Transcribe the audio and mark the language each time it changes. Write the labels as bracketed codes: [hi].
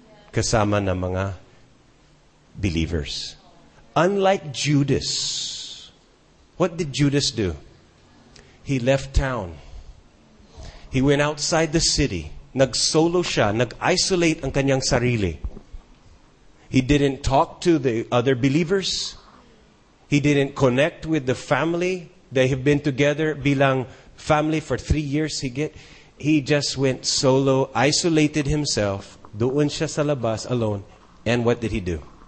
[tl] Kasama ng mga believers. [en] Unlike Judas, what did Judas do? He left town. He went outside the city. [tl] Nag-solo siya. Nag-isolate ang kanyang sarili. [en] He didn't talk to the other believers. He didn't connect with the family. They have been together bilang family for 3 years, he just went solo, isolated himself, [tl] doon siya sa labas, [en] alone. And what did he do?